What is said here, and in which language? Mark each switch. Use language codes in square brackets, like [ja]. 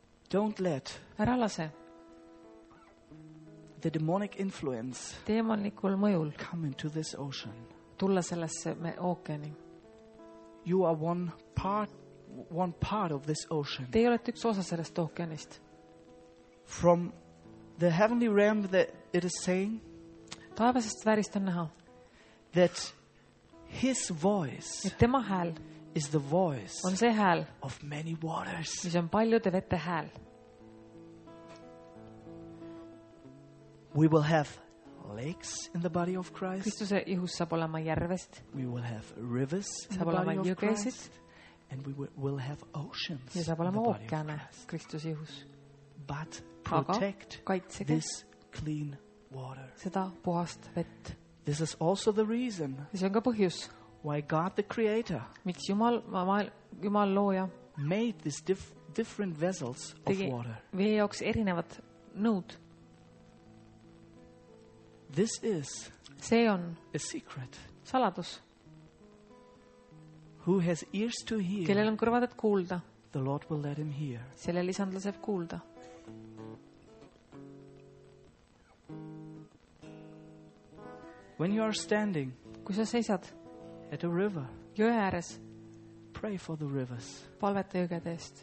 [en] Don't let [et] ära lase [en] the demonic influence [et] demonlikul mõjul [en] come into this ocean. [et] Tulla sellesse ookeani. [en] You are one part of this ocean. [et] Te olete üks osa sellest ookeanist. [en] From the heavenly realm that it is saying [et] taevasest väärist on näha [en] that his voice [et] et tema hääl [en] is the voice [et] on see hääl [en] of many waters. [et] Mis on paljude vette hääl. [en] We will have lakes in the body of Christ. [et] Kristuse ihus saab olema järvest. [en] We will have rivers in the body of Christ. And we will have oceans. [et] Ja saab olema ookeane Kristuse ihus. [en] But protect [et] kaitsege [en] this clean water. [et] Seda puhast vett. [en] This is also the reason. [et] See on ka põhjus. [en] Why God the creator? [et] Miks Jumal looja [en] made this different vessels of water. [et] Vee jaoks erinevad nõud. [en] This is [et] see on [en] a secret. [et] Saladus. [en] Who has ears to hear? [et] Kellel on kõrvad et kuulda? [en] The Lord will let him hear. [et] Selle lisand laseb kuulda. [en] When you are standing, [et] kui sa seisad [en] at a river, [et] jõe ääres, [en] pray for the rivers. [et] Palveta jõgede eest.